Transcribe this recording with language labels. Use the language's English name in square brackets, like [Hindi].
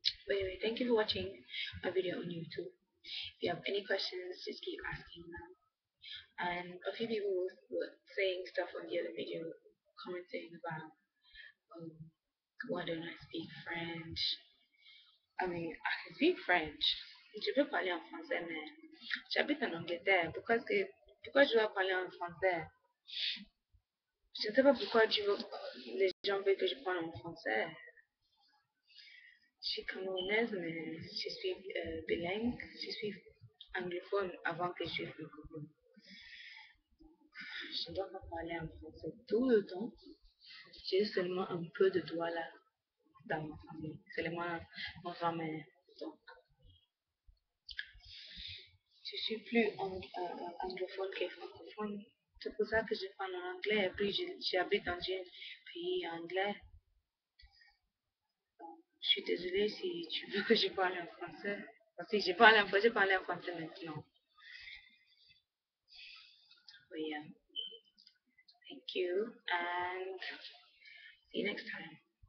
[English] But anyway, thank you for watching my video on YouTube. If you have any questions, just keep asking them. And a few people were saying stuff on the other video, commenting about why don't I speak French. I mean, I can speak French. [French] Je peux parler en français, mais j'habite en Angleterre. Pourquoi je dois parler en français? Je ne sais pas pourquoi les gens veulent que je parle en français. [English] She's [French] Camerounaise, [English] but she speaks [French] bilingue. [English] She speaks [French] anglophone avant que je fasse le coup. Je ne dois pas parler en français tout le temps. J'ai seulement un peu de doigt là dans ma famille. Seulement ma grand-mère. Donc, je suis plus anglophone que francophone. C'est pour ça que je parle en anglais. Et puis, j'habite dans un pays anglais. Je suis désolée si tu veux que je parle en français. Parce que j'ai parlé en français maintenant. Oui. [English] Thank you. And see you next time.